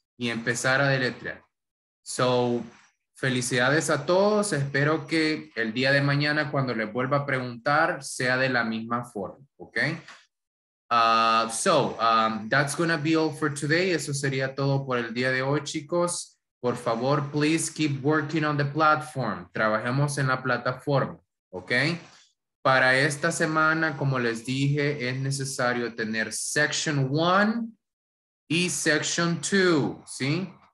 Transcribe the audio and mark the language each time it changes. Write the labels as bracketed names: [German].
[Spanish] Y empezar a deletrear. [English] So, [Spanish] felicidades a todos. Espero que el día de mañana cuando les vuelva a preguntar sea de la misma forma. Okay. [English] That's going to be all for today. [Spanish] Eso sería todo por el día de hoy, chicos. Por favor, [English] please keep working on the platform. [Spanish] Trabajemos en la plataforma. Okay. Para esta semana, como les dije, es necesario tener Section 1 y Section 2, ¿sí?